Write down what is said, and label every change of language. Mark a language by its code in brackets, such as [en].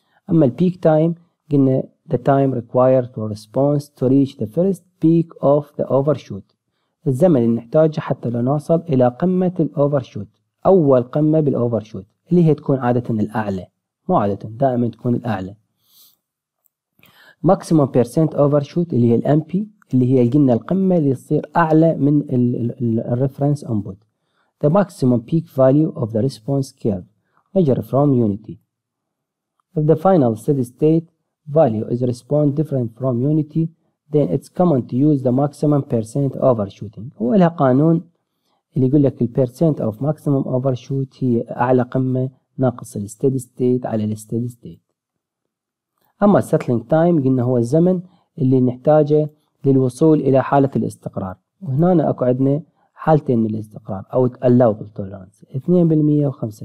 [ar] أما البيك تايم قلنا [en] the time required for response to reach the first peak of the overshoot، [ar] الزمن اللي نحتاجه حتى لو نوصل إلى قمة الأوفرشوت، أول قمة بالأوفرشوت اللي هي تكون عادة الأعلى، مو عادة دائما تكون الأعلى. [en] maximum percent overshoot [ar] اللي هي الـ MP، اللي هي قلنا القمة اللي تصير أعلى من الـ [en] reference input. the maximum peak value of the response curve measured from unity. if the final steady state value is respond different from unity then it's common to use the maximum percent overshooting. [ar] هو لها قانون اللي يقول لك الـ [en] percent of maximum overshoot [ar] هي أعلى قمة ناقص الـ [en] steady state [ar] على الـ steady state. أما settling time قلنا هو الزمن اللي نحتاجه للوصول إلى حالة الاستقرار، وهنا أكو عندنا حالتين من الاستقرار أو [en] allowable tolerance [ar] 2% و 5%.